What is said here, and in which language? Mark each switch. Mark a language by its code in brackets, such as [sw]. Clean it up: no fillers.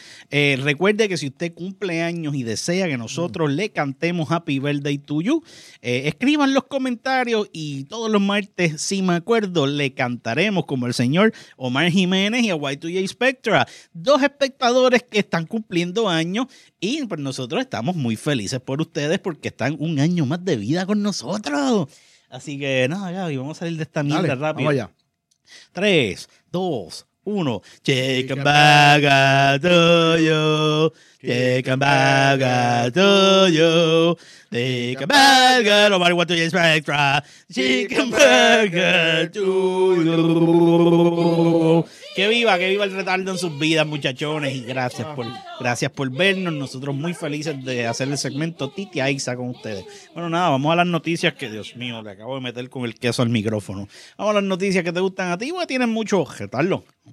[es] Recuerde que si usted cumple años y desea que nosotros le cantemos Happy Birthday to You, escriban los comentarios y todos los martes, si me acuerdo, le cantaremos como el señor Omar Jiménez y a Y2J Spectra, dos espectadores que están cumpliendo años y nosotros estamos muy felices por ustedes porque están un año más de vida con nosotros. Así que nada, Gaby, vamos a salir de esta mierda. Dale, rápido. Vamos allá. [en] 3, 2, 1, chicken burger to you, chicken burger to you, chicken burger, nobody wants to get extra, chicken burger to you. [es] Que viva el retardo en sus vidas, muchachones, y gracias por vernos. Nosotros muy felices de hacer el segmento Titi Aixa con ustedes. Bueno, nada, vamos a las noticias que, Dios mío, le acabo de meter con el queso al micrófono. Vamos a las noticias que te gustan a ti, porque tienes mucho retardo.